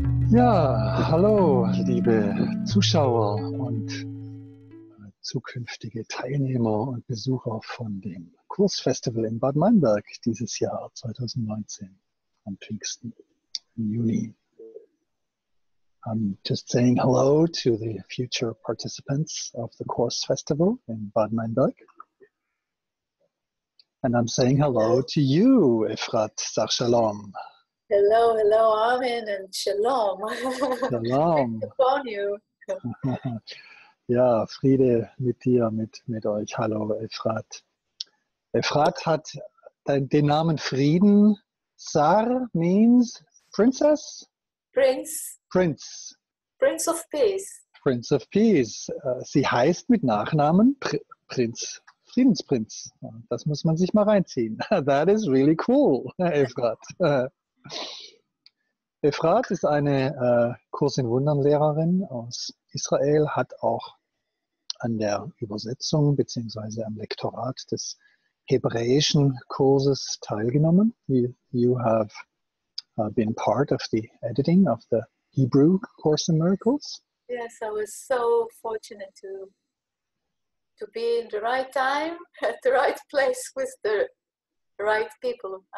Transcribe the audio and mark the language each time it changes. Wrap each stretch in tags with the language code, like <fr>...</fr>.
<de>Ja, hallo, liebe Zuschauer und zukünftige Teilnehmer und Besucher von dem Kursfestival in Bad Meinberg dieses Jahr 2019 am Pfingsten im Juni.</de> <en>I'm just saying hello to the future participants of the Kurs Festival in Bad Meinberg. And I'm saying hello to you, Efrat Sar Shalom. Hello, hello, Armin, and Shalom. Great Shalom. to call you.</en> <de>Ja, Friede mit dir, mit euch. Hallo, Efrat. Efrat hat den Namen Frieden.</de> <en>Sar means Princess? Prince. Prince. Prince of Peace. Prince of Peace.</en> <de>Sie heißt mit Nachnamen Prinz, Friedensprinz. Das muss man sich mal reinziehen.</de> <en>That is really cool, Efrat.</en> <de>Efrat ist eine Kurs in Wundern Lehrerin aus Israel, hat auch an der Übersetzung bzw. am Lektorat des hebräischen Kurses teilgenommen.</de> <en>You have been part of the editing of the Hebrew Course in Miracles. Yes, I was so fortunate to be in the right time, at the right place with the right people.</en>